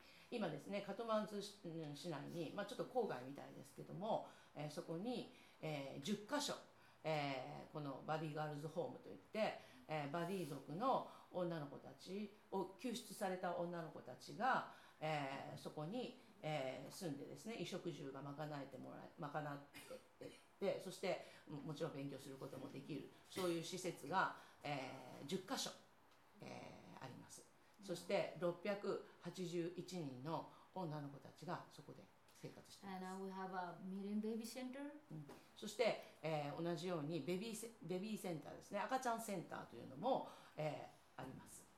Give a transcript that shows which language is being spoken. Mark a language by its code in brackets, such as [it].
[ja] 今ですね、カトマンズ市内に、まあ、ちょっと郊外みたいですけども、そこに、10カ所、このバディガールズホームといって、バディ族の女の子たちを救出された女の子たちが、そこに住んでですね、衣食住が賄ってそして もちろん勉強することもできる、そういう施設が、10カ所、あります。そして681人の女の子たちがそこで生活しています。 [en] And we have a million baby center. [ja] そして、同じようにベビーセンターですね、赤ちゃんセンターというのも、あります。